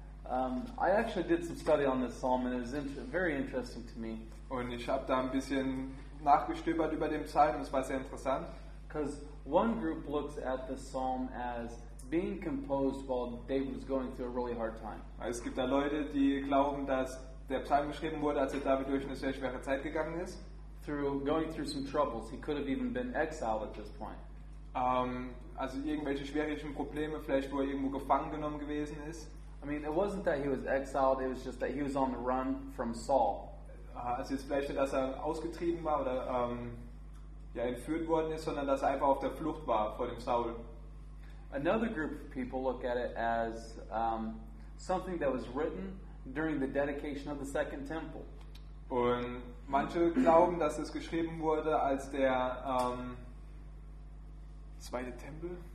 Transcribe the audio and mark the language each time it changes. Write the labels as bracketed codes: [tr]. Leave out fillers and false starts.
[en] I actually did some study on this psalm and it was very interesting to me. [de] Und ich habe da ein bisschen nachgestöbert über den Psalm, das war sehr interessant. [en] Because one group looks at the psalm as being composed while David was going through a really hard time. [de] Es gibt da Leute, die glauben, dass der Psalm geschrieben wurde, als er David durch eine sehr schwere Zeit gegangen ist. [en] Through going through some troubles, he could have even been exiled at this point. [de] Also irgendwelche schwierigen Probleme, vielleicht wo er irgendwo gefangen genommen gewesen ist. [en] I mean, it wasn't that he was exiled, it was just that he was on the run from Saul. [de] Also jetzt vielleicht nicht, dass er ausgetrieben war oder entführt worden ist, sondern dass er einfach auf der Flucht war vor dem Saul. [en] Another group of people look at it as something that was written during the dedication of the Second Temple. [de] Und manche glauben, dass es geschrieben wurde, als der zweite Tempel?